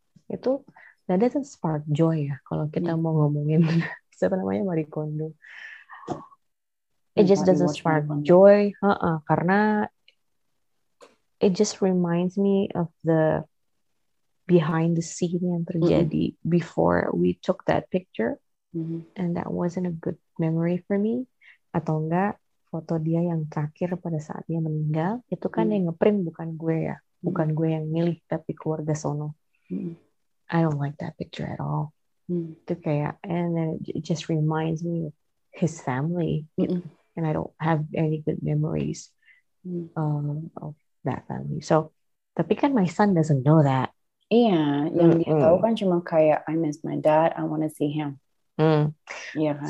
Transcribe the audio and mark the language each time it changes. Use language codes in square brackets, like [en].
[id] Itu, [en] that doesn't spark joy [id] ya. Kalau kita mau ngomongin siapa namanya [en] Marie Kondo, it just doesn't spark joy. [id] Karena [en] it just reminds me of the behind the scene [id] yang terjadi [en] mm-hmm. before we took that picture, mm-hmm. and that wasn't a good memory for me. [id] Atau enggak foto dia yang terakhir pada saat dia meninggal itu kan mm-hmm. yang ngeprint bukan gue ya, bukan mm-hmm. gue yang milih tapi keluarga sono. Mm-hmm. [en] I don't like that picture at all. Mm-hmm. [id] Itu kayak, [en] and then it just reminds me of his family, mm-hmm. and I don't have any good memories mm-hmm. Of that family. So, [id] tapi kan [en] my son doesn't know that. Yeah, [id] yang dia tahu kan cuma kayak [en] I miss my dad, I want to see him. Yeah.